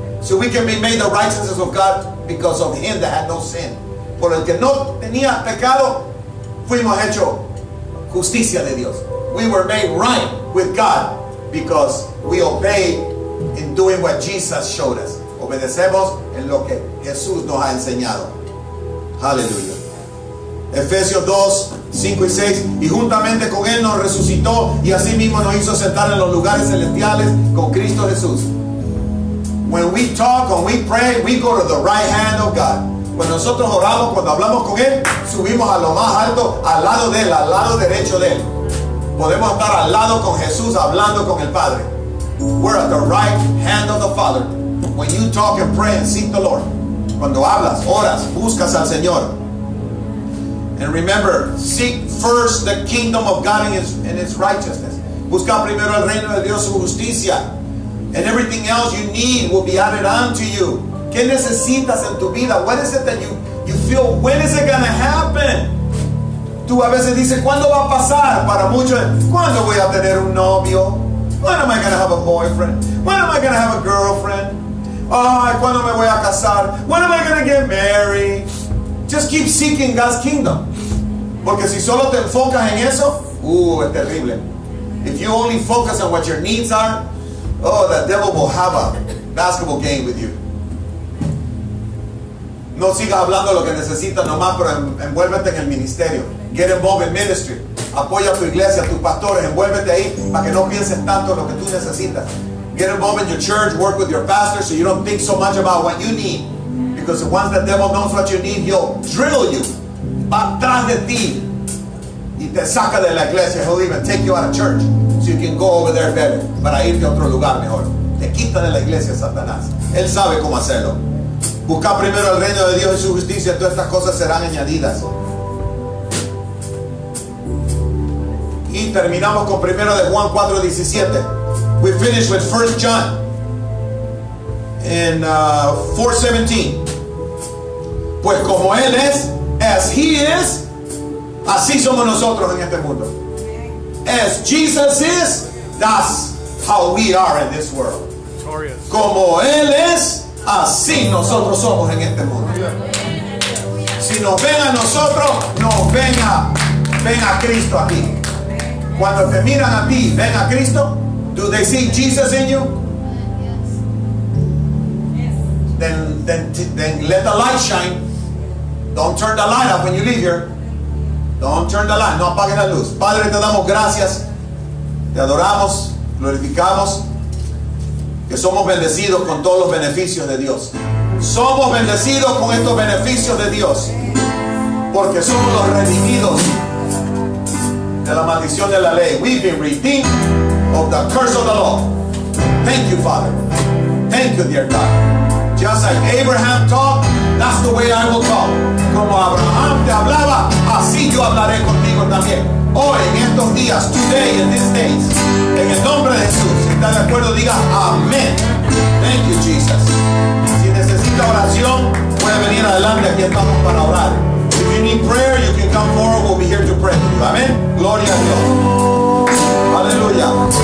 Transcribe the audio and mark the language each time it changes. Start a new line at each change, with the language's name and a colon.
English: So we can be made the righteousness of God because of him that had no sin.
Spanish: Por el que no tenía pecado, fuimos hecho justicia de Dios.
English: We were made right with God because we obeyed in doing what Jesus showed us.
Spanish: Obedecemos en lo que Jesús nos ha enseñado. Aleluya. Efesios 2, 5 y 6. Y juntamente con él nos resucitó y así mismo nos hizo sentar en los lugares celestiales con Cristo Jesús.
English: When we talk, when we pray, we go to the right hand of God.
Spanish: Cuando nosotros oramos, cuando hablamos con él, subimos a lo más alto, al lado de él, al lado derecho de él. Podemos estar al lado con Jesús, hablando con el Padre.
English: We're at the right hand of the Father. When you talk and pray and seek the Lord.
Spanish: Cuando hablas, oras, buscas al Señor.
English: And remember, seek first the kingdom of God and his righteousness.
Spanish: Busca primero el reino de Dios, su justicia.
English: And everything else you need will be added unto you.
Spanish: ¿Qué necesitas en tu vida?
English: What is it that you feel? When is it going to happen?
Spanish: Tú a veces dices, ¿cuándo va a pasar? Para muchos, ¿cuándo voy a tener un novio?
English: When am I going to have a boyfriend? When am I going to have a girlfriend?
Spanish: Ay, ¿cuándo me voy a casar?
English: When am I going to get married? Just keep seeking God's kingdom.
Spanish: Porque si solo te enfocas en eso, es terrible.
English: If you only focus on what your needs are, oh, the devil will have a basketball game with you.
Spanish: No sigas hablando lo que necesitas nomás, pero envuélvete en el ministerio.
English: Get involved in ministry.
Spanish: Apoya a tu iglesia, a tus pastores. Envuélvete ahí para que no pienses tanto lo que tú necesitas.
English: Get involved in your church. Work with your pastor so you don't think so much about what you need. Because once the devil knows what you need, he'll drill you.
Spanish: Va atrás de ti. Y te saca de la iglesia.
English: He'll even take you out of church. So you can go over there better.
Spanish: Para irte a otro lugar mejor. Te quita de la iglesia, Satanás. Él sabe cómo hacerlo. Busca primero el reino de Dios y su justicia. Todas estas cosas serán añadidas. Y terminamos con primero de Juan 4:17.
English: We finish with 1 John. In 4:17.
Spanish: Pues como Él es,
English: as He is,
Spanish: así somos nosotros en este mundo.
English: As Jesus is, that's how we are in this world. Victorious.
Spanish: Como Él es, así nosotros somos en este mundo. Si nos ven a nosotros, nos ven a Cristo aquí. Cuando te miran a ti, ven a Cristo.
English: Do they see Jesus in you? Yes. Then let the light shine. Don't turn the light up when you leave here. Don't turn the light.
Spanish: No apagues la luz. Padre, te damos gracias. Te adoramos, glorificamos. Que somos bendecidos con todos los beneficios de Dios. Somos bendecidos con estos beneficios de Dios. Porque somos los redimidos de la maldición de la ley.
English: We've been redeemed of the curse of the law. Thank you, Father. Thank you, dear God. Just like Abraham talked, that's the way I will talk.
Spanish: Como Abraham te hablaba, así yo hablaré contigo también. Hoy, en estos días,
English: today, in these days,
Spanish: en el nombre de Jesús, si está de acuerdo, diga amén.
English: Thank you, Jesus.
Spanish: Si necesita oración, puede venir adelante, aquí estamos para orar.
English: If you need prayer, you can come forward, we'll be here to pray for you.
Spanish: Amén. Gloria a Dios. Aleluya.